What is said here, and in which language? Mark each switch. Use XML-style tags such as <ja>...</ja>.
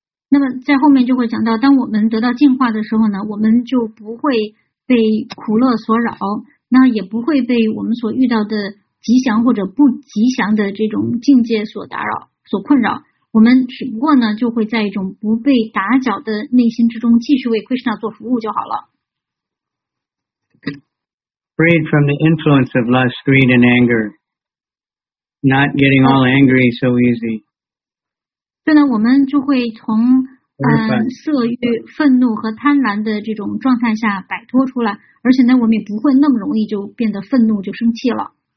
<zh>那么在后面就会讲到，当我们得到净化的时候呢，我们就不会被苦乐所扰，那也不会被我们所遇到的吉祥或者不吉祥的这种境界所打扰、所困扰。我们只不过呢，就会在一种不被打搅的内心之中，继续为 Krishna 做服务就好了。</zh> <en>Freed from the influence of lust, greed, and anger, not getting all angry so easy.</en> <zh>所以呢，我们就会从色欲、愤怒和贪婪的这种状态下摆脱出来，而且呢，我们也不会那么容易就变得愤怒、就生气了。</zh>